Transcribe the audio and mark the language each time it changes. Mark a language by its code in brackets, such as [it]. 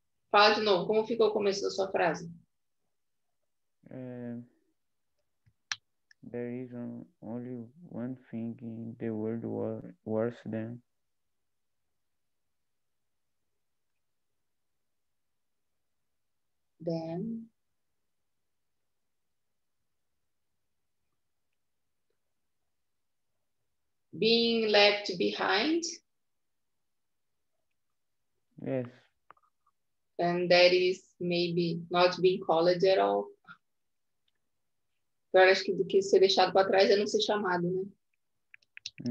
[pt] Fala de novo, como ficou o começo da sua frase? [en] There is only one thing in the world worse than. Then. Being left behind. Yes. And that is maybe not being called at all. [pt] Pior, acho que do que ser deixado para trás é não ser chamado, né?